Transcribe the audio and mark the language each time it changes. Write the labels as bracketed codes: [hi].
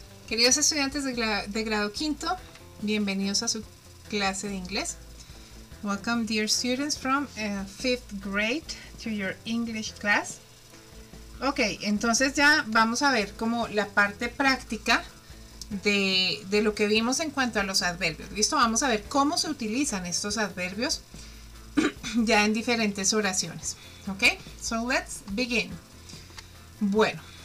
[es] Queridos estudiantes de grado quinto, bienvenidos a su clase de inglés. [en] Welcome, dear students from fifth grade to your English class. [es] Ok, entonces ya vamos a ver como la parte práctica de lo que vimos en cuanto a los adverbios. ¿Listo? Vamos a ver cómo se utilizan estos adverbios ya en diferentes oraciones. [en] Ok, so let's begin. [es] Bueno.